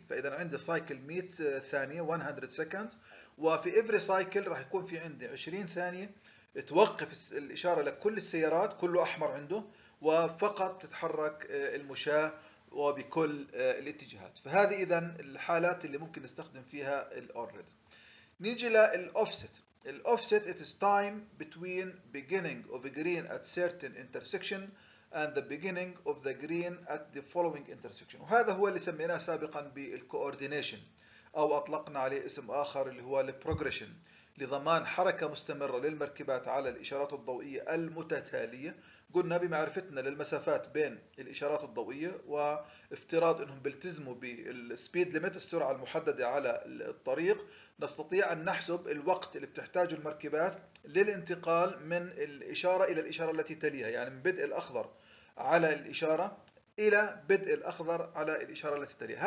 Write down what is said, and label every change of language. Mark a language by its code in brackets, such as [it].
[ar] فإذا عندي سايكل 100 ثانية 100 سكند، وفي إفري سايكل راح يكون في عندي 20 ثانية توقف الإشارة لكل السيارات كله أحمر عنده، وفقط تتحرك المشاة وبكل الاتجاهات. فهذه إذا الحالات اللي ممكن نستخدم فيها الأوريد. نيجي للأوفست. [en] الأوفست it is time between beginning of green at certain intersection and the beginning of the green at the following intersection. [ar] وهذا هو اللي سميناه سابقا بالكوردينيشن، أو أطلقنا عليه اسم آخر اللي هو البروجريشن، لضمان حركة مستمرة للمركبات على الإشارات الضوئية المتتالية. قلنا بمعرفتنا للمسافات بين الإشارات الضوئية وافتراض أنهم بيلتزموا بالسبيد ليميت السرعة المحددة على الطريق، نستطيع أن نحسب الوقت اللي بتحتاجه المركبات للانتقال من الإشارة إلى الإشارة التي تليها، يعني من بدء الأخضر على الإشارة إلى بدء الأخضر على الإشارة التي تليها.